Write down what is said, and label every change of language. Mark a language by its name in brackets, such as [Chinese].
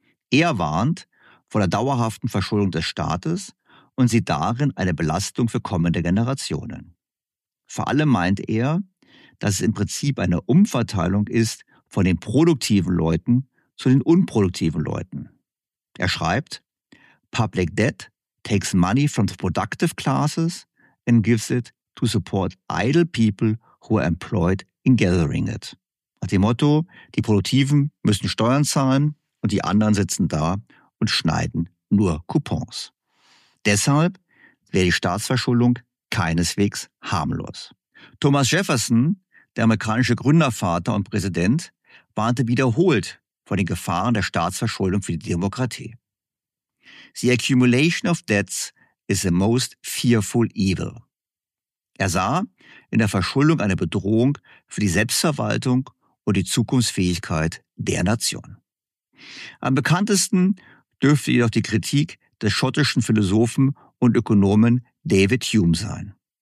[German] Er warnt vor der dauerhaften Verschuldung des Staates und sieht darin eine Belastung für kommende Generationen. Vor allem meint er, dass es im Prinzip eine Umverteilung ist von den produktiven Leuten zu den unproduktiven Leuten. [English] Er schreibt, Public debt takes money from the productive classes and gives it to support idle people who are employed in gathering it. [German] Nach dem Motto, die Produktiven müssen Steuern zahlen und die anderen sitzen da und schneiden nur Coupons. Deshalb wäre die Staatsverschuldung keineswegs harmlos. Thomas Jefferson, der amerikanische Gründervater und Präsident, warnte wiederholt vor den Gefahren der Staatsverschuldung für die Demokratie. [English] The accumulation of debts is the most fearful evil. [German] Er sah in der Verschuldung eine Bedrohung für die Selbstverwaltung und die Zukunftsfähigkeit der Nation. Am bekanntesten dürfte jedoch die Kritik des schottischen Philosophen und Ökonomen David Hume sein.